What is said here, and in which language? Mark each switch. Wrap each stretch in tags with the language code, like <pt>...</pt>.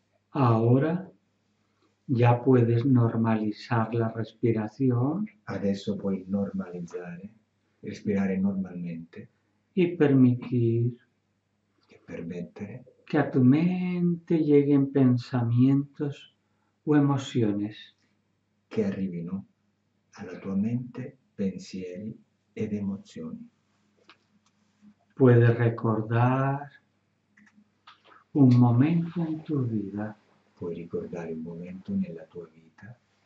<es>Ahora ya puedes normalizar la respiración.</es> <it>Adesso puoi normalizzare, respirare normalmente.</it> <es>Y permitir.</es> <it>Permettere</it> <es>che a tu mente lleguen pensamientos o emociones.</es> <it>Che arrivino alla tua mente pensieri ed emozioni.</it> <es>Puedes recordar un momento en tu vida.</es> <it>Puoi ricordare un momento nella tua vita.</it>